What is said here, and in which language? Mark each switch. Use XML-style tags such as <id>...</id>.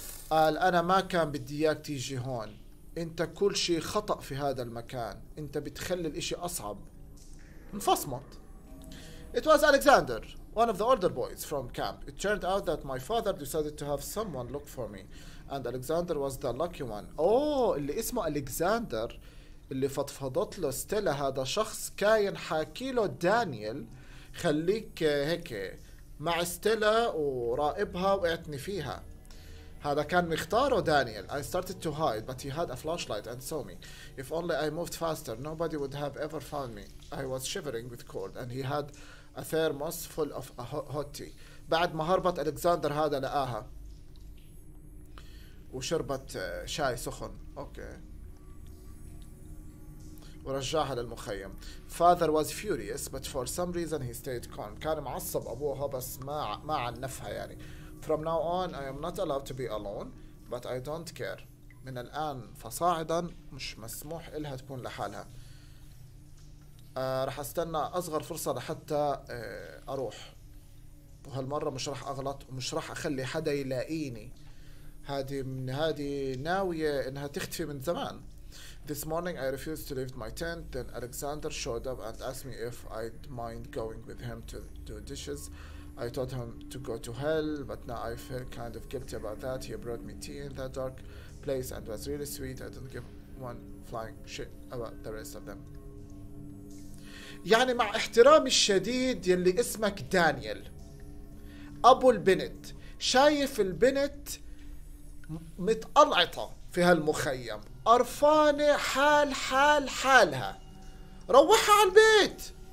<ar>قال أنا ما كان بدي إياك تيجي هون. أنت كل شيء خطأ في هذا المكان. أنت بتخلي الإشي أصعب. انفصمت.</ar> <en>It was Alexander, one of the older boys from camp. It turned out that my father decided to have someone look for me, and Alexander was the lucky one.</en> <ar>Oh, اللي اسمه Alexander. اللي فضفضت له ستيلا هذا شخص كاين حاكي له دانيال خليك هيك مع ستيلا ورائبها واعتني فيها. هذا كان مختاره دانيال.</ar> <en>I started to hide but he had a flashlight and saw me. If only I moved faster nobody would have ever found me. I was shivering with cold and he had a thermos full of a hot tea.</en> <ar>بعد ما هربت ألكساندر هذا لقاها وشربت شاي سخن. اوكي ورجعها للمخيم.</ar> <en>Father was furious but for some reason he stayed calm.</en> <ar>كان معصب أبوها بس ما عنفها يعني.</ar> <en>From now on I am not allowed to be alone but I don't care.</en> <ar>من الآن فصاعدا مش مسموح إلها تكون لحالها. رح أستنى أصغر فرصة لحتى أروح. وهالمرة مش رح أغلط ومش رح أخلي حدا يلاقيني. هذه ناوية إنها تختفي من زمان.</ar> <en>This morning I refused to leave my tent. Then Alexander showed up and asked me if I'd mind going with him to do dishes. I told him to go to hell, but now I feel kind of guilty about that. He brought me tea in that dark place and was really sweet. I didn't give one flying shit about the rest of them.</en> <ar>يعني مع احترامي الشديد يلي اسمك دانيال أبو البنت شايف البنت متقلعطة في هالمخيم قرفانة حالها روحها على البيت.</ar>